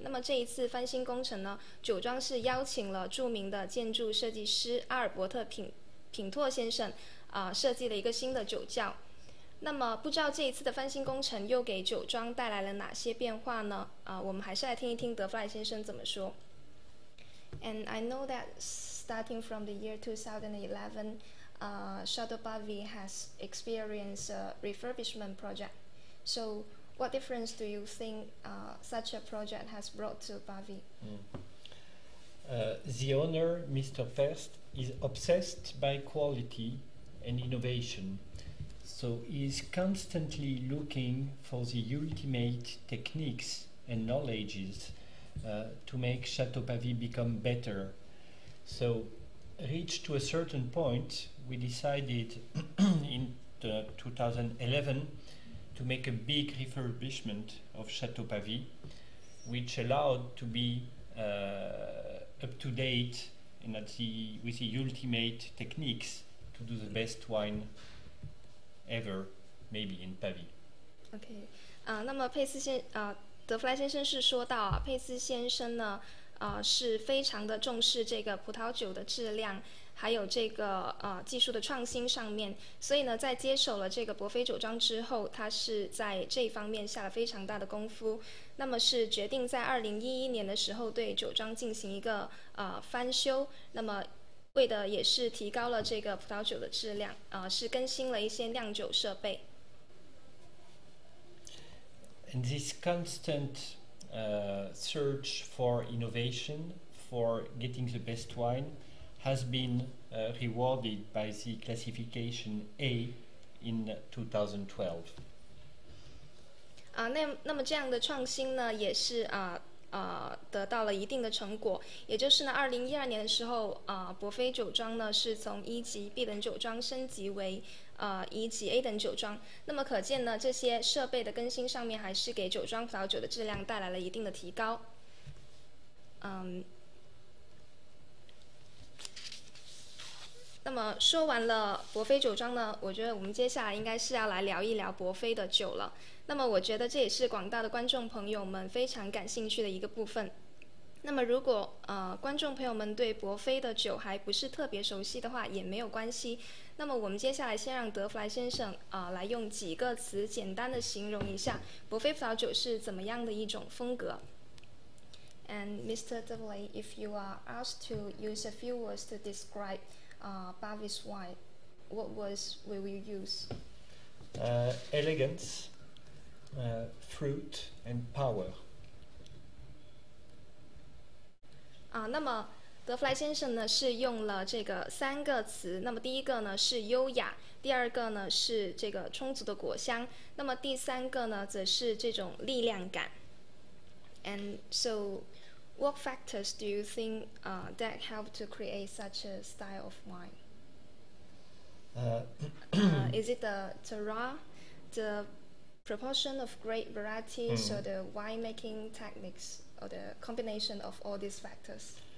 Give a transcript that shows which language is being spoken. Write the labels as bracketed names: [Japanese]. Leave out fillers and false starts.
[Chinese] 那么这一次翻新工程呢，酒庄是邀请了著名的建筑设计师阿尔伯特品托先生设计了一个新的酒窖。那么不知道这一次的翻新工程又给酒庄带来了哪些变化呢？我们还是来听一听德弗莱先生怎么说。 [English] And I know that starting from the year 2011, Chateau Pavie has experienced a refurbishment project. So what difference do you think such a project has brought to Pavie? The owner, Mr. First, is obsessed by quality and innovation. So he is constantly looking for the ultimate techniques and knowledges to make Chateau Pavie become better. So reached to a certain point, we decided in 2011 to make a big refurbishment of Chateau Pavie, which allowed to be up to date and with the ultimate techniques to do the best wine. Ever, maybe in Pavie. [Chinese] Okay, 那么佩斯先德弗莱先生是说到啊，佩斯先生呢，是非常的重视这个葡萄酒的质量，还有这个技术的创新上面。所以呢，在接手了这个伯菲酒庄之后，他是在这方面下了非常大的功夫。那么是决定在2011年的时候对酒庄进行一个翻修。那么为的也是提高了这个葡萄酒的质量，是更新了一些酿酒设备。 [English] And this constant search for innovation, for getting the best wine, has been rewarded by the classification A in 2012. [Chinese] 那么这样的创新呢，也是得到了一定的成果，也就是呢，2012年的时候，伯菲酒庄呢是从一级 B 等酒庄升级为一级 A 等酒庄。那么可见呢，这些设备的更新上面还是给酒庄葡萄酒的质量带来了一定的提高。那么说完了伯菲酒庄呢，我觉得我们接下来应该是要来聊一聊伯菲的酒了。那么我觉得这也是广大的观众朋友们非常感兴趣的一个部分。那么如果观众朋友们对伯菲的酒还不是特别熟悉的话也没有关系，那么我们接下来先让德弗莱先生来用几个词简单的形容一下伯菲葡萄酒是怎么样的一种风格。 [English] And Mr. Devlay, if you are asked to use a few words to describeBavie's wine, what words will you use? Elegance, fruit, and power. [Chinese] 那么德弗莱先生呢是用了这个三个词，那么第一个呢是优雅，第二个呢是这个充足的果香，那么第三个呢则是这种力量感。 [English] And so what factors do you think that help to create such a style of wine? is it the terroir, the proportion of grape variety, so the winemaking techniques, or the combination of all these factors?